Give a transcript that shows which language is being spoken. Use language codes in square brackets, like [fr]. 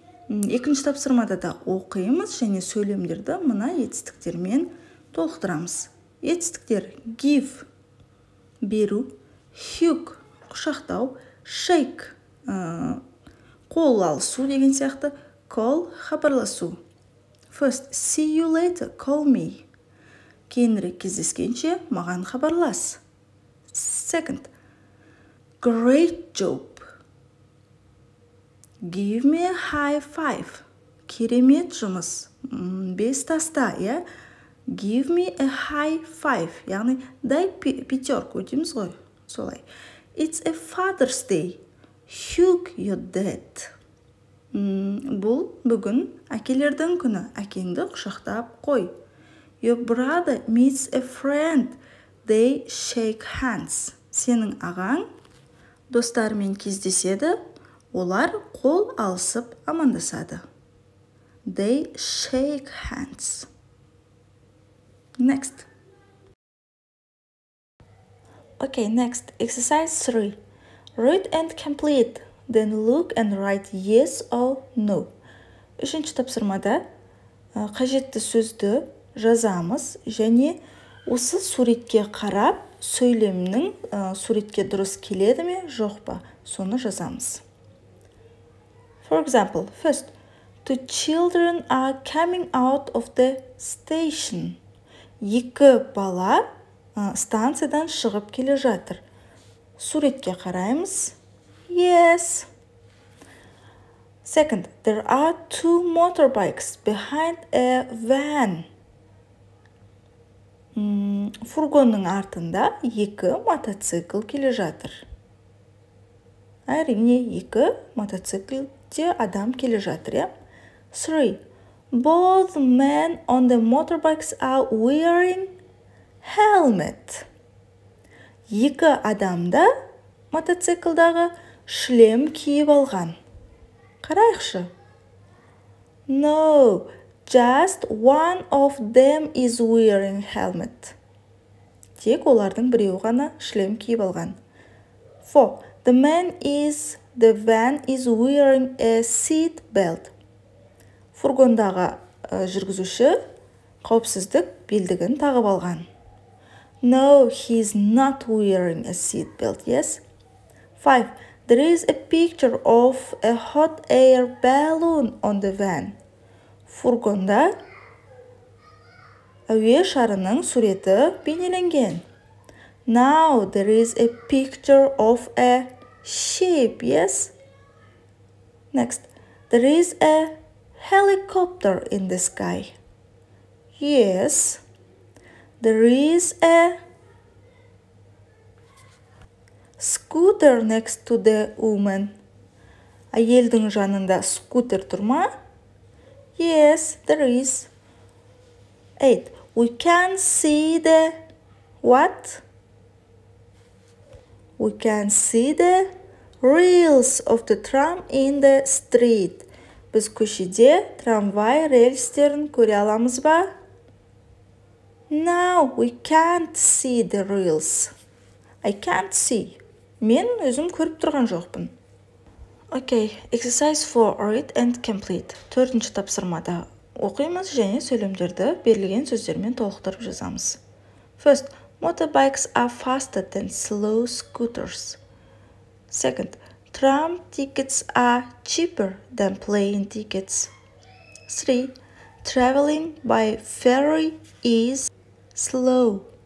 [kk] Екінші тапсырмада да оқиымыз және сөйлемдерді мына етістіктермен толықтырамыз. Етістіктер give – беру, hug – құшақтау, shake – қол алысу деген сияқты, call – хабарласу. [en] First, see you later, call me. [kk] Кейінірек кездескенше маған хабарлас. [en] Second, great job. Give me a high five. [kk] Керемет жұмыс. Бес таста, я? [en] Give me a high five. [kk] Яғни, [ru] дай пятерку, [kk] дейміз ғой. Солай. [en] It's a Father's Day. Hug your dad. [kk] Бұл бүгін әкелердің күні. Әкеңді құшақтап қой. [en] Your brother meets a friend. They shake hands. [kk] Сенің ағаң достарымен кездеседі. Олар қол алысып амандасады. [en] They shake hands. Next. Okay, next. Exercise 3. Read and complete. Then look and write yes or no. [kk] Үшінші тапсырмада қажетті сөзді жазамыз. Және осы суретке қарап, сөйлемнің суретке дұрыс келеді ме, жоқ па, соны жазамыз. [en] For example, first, two children are coming out of the station. [kk] Екі бала станциядан шығып келе жатыр. Суретке қараймыз. Yes. [en] Second, there are two motorbikes behind a van. [kk] Фургонның артында екі мотоцикл келе жатыр. Әрине, екі мотоциклде адам келе жатыр. [en] Three. Both men on the motorbikes are wearing helmet. [kk] Екі адамда мотоциклдағы шлем киіп алған. Қарайықшы. [en] No, just one of them is wearing helmet. [kk] Тек олардың біреуі ғана шлем киіп алған. [en] Four. The van is wearing a seat belt. [kk] Фургондағы жүргізуші қауіпсіздік белдігін тағып алған. [en] No, he's not wearing a seat belt, yes? Five, there is a picture of a hot air balloon on the van. [kk] Фургонда әуе шарының суреті бейнеленген. [en] Now, there is a picture of a ship, yes? Next, there is a helicopter in the sky. Yes. There is a scooter next to the woman. [kk] Әйелдің жанында скутер тұр ма? [en] Yes, there is. Eight. We can see the what? We can see the rails of the tram in the street. [kk] Біз көшеде трамвай рельстерін көре аламыз ба? [en] Now we can't see the rails. I can't see. [kk] Мен өзім көріп тұрған жоқпын. [en] Okay, exercise 4, read and complete. [kk] Төртінші тапсырмада оқимыз және сөйлемдерді берілген сөздермен толықтырып жазамыз. [en] First, motorbikes are faster than slow scooters. Second, tram tickets are cheaper than plane tickets. 3. Traveling by ferry is slow.